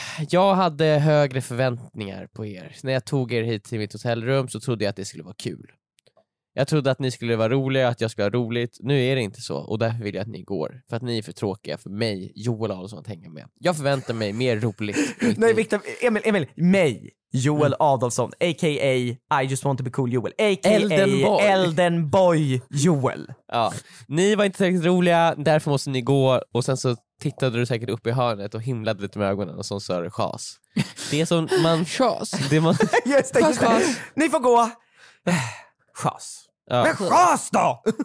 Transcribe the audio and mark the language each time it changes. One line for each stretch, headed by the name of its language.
Swedish: Jag hade högre förväntningar på er. När jag tog er hit till mitt hotellrum så trodde jag att det skulle vara kul. Jag trodde att ni skulle vara roliga, att jag skulle ha roligt. Nu är det inte så, och därför vill jag att ni går. För att ni är för tråkiga för mig, Joel Adolfsson, att hänga med. Jag förväntar mig mer roligt. Nej, Victor, Emil, mig, Joel Adolfsson, a.k.a.
English: I just want to be cool Joel, a.k.a. Elden boy Joel.
Swedish: Ja, ni var inte tillräckligt roliga, därför måste ni gå. Och sen så tittade du säkert upp i hörnet och himlade lite med ögonen och så är det chas. Det är som man... chas. Just det, chas. Chas. Ni får gå. Chas. Ja. Men chas då!